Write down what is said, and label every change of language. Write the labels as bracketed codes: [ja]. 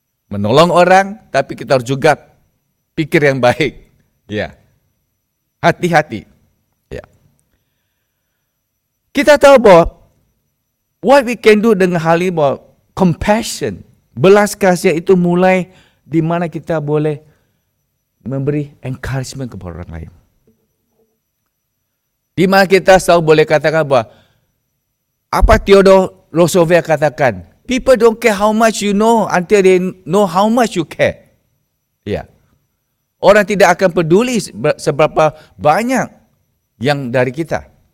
[id] Menolong orang, tapi kita harus juga pikir yang baik. Ya. Hati-hati. Ya. Kita tahu bahwa [en] what we can do [id] dengan hal ini, bahwa compassion, belas kasihan itu mulai di mana kita boleh memberi encouragement kepada orang lain. Di mana kita selalu boleh katakan bahwa apa Theodore Roosevelt katakan, [en] people don't care how much you know until they know how much you care. Yeah. [id] Orang tidak akan peduli seberapa banyak yang dari kita.